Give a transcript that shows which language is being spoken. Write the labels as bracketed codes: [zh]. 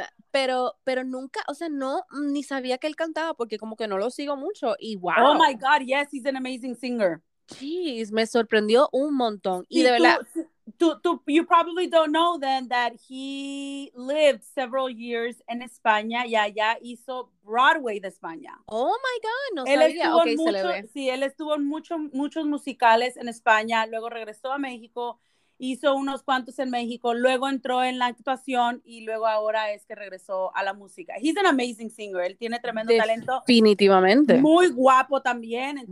[es] Pero nunca, o sea, no, ni sabía que él cantaba porque como que no lo sigo mucho y wow. [en] Oh my God, yes, he's an amazing singer. [es] Jeez, me sorprendió un montón. Sí, y de verdad. [en] Tú, you probably don't know then that he lived several years in España [es] y allá hizo Broadway de España. [en] Oh my God, [es] no él sabía. [en] Okay, [es] mucho, se le ve. Sí, él estuvo en muchos musicales en España, luego regresó a México, hizo unos cuantos en México, luego entró en la actuación y luego ahora es que regresó a la música. [en] He's an amazing singer, [es] él tiene tremendo talento. Definitivamente. Muy guapo también. Entonces,